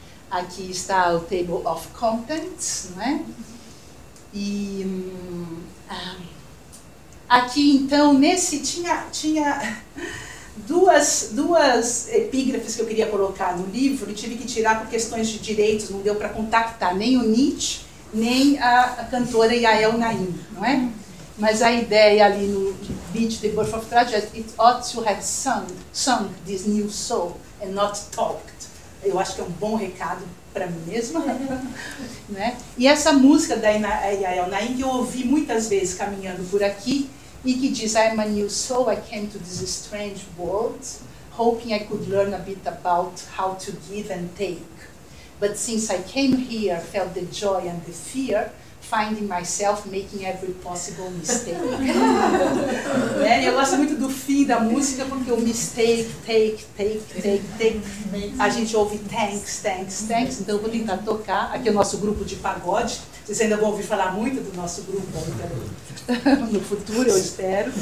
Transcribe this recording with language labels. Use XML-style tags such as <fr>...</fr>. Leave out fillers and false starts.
<pt>Aqui está o Table of Contents, não é? E aqui, então, nesse tinha duas epígrafes que eu queria colocar no livro e tive que tirar por questões de direitos, não deu para contactar nem o Nietzsche, nem a cantora Yael Naim, não é? Mas a ideia ali no</pt> <en>Beat the Birth of Tragedy, it ought to have sung this new soul and not talked.</en> <pt>Eu acho que é um bom recado para mim mesma. Né? E essa música da Yael Naim, que eu ouvi muitas vezes caminhando por aqui, e que diz,</pt> <en>I'm a new soul, I came to this strange world, hoping I could learn a bit about how to give and take. But since I came here, felt the joy and the fear, finding myself making every possible mistake.</en> <pt>Né? Eu gosto muito do fim da música, porque o mistake, take. A gente ouve thanks. Então eu vou tentar tocar. Aqui é o nosso grupo de pagode. Vocês ainda vão ouvir falar muito do nosso grupo no futuro, eu espero.</pt>